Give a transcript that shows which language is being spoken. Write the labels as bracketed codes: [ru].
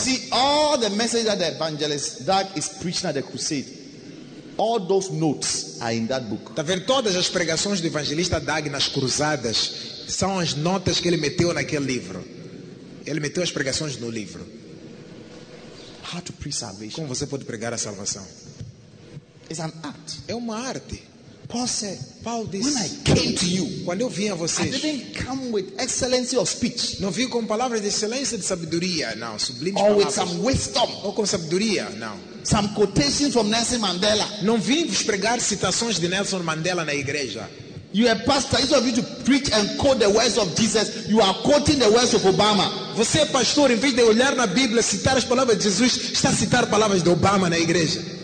[en] You see, all the messages that the evangelist Doug is preaching at the crusade, all those notes are in that book. [pt] Tá vendo? Todas as pregações do evangelista Doug nas cruzadas são as notas que ele meteu naquele livro. Ele meteu as pregações no livro. [en] How to preach salvation? [pt] Como você pode pregar a salvação? [en] It's an art. [pt] É uma arte. [en] Paul said, [pt] Paul disse, [en] when I came to you, [pt] quando eu vim a vocês, [en] I didn't come with excellency of speech. [pt] Não vim com palavras de excelência, de sabedoria, não, sublimes palavras. [en] Or with some wisdom. [pt] Ou com sabedoria, não. [en] Some quotations from Nelson Mandela. [pt] Não vim vos pregar citações de Nelson Mandela na igreja. [en] You are a pastor. Instead of you to preach and quote the words of Jesus, you are quoting the words of Obama. [pt] Você é pastor, em vez de olhar na Bíblia, citar as palavras de Jesus, está a citar palavras de Obama na igreja.